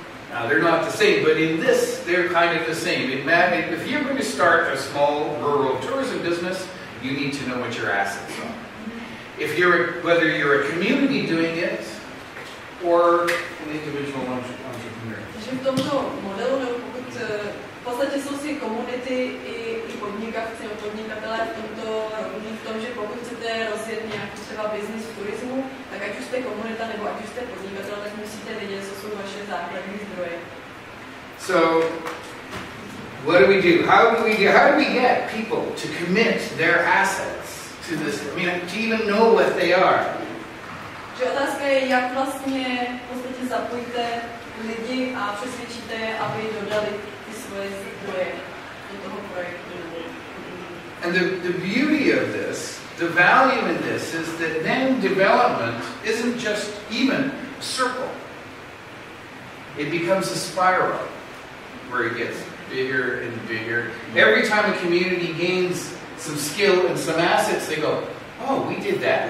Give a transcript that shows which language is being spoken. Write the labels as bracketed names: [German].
[English] Now they're not the same, but in this, they're kind of the same. If you're going to start a small rural tourism business, you need to know what your assets are. If you're whether you're a community doing it or an individual entrepreneur. [Czech] Že v tomto modelu, nebo pokud v podstatě jsou si komunity i podnikavci nebo podnikatelé v tom, že pokud chcete rozjet nějaký třeba business v turismu, tak ať už jste komunita nebo ať už jste podnikatel, tak musíte vidět, co jsou vaše základní zdroje. [English] So, what do we do? How do we get people to commit their assets to this? I mean, to even know what they are. [Czech] Že otázka je, jak vlastně v podstatě zapojíte lidi a přesvědčíte, aby dodali ty svoje zdroje do toho projektu. [English] And the beauty of this, the value in this, is that then development isn't just even a circle. It becomes a spiral where it gets bigger and bigger. Every time a community gains some skill and some assets, they go, oh, we did that.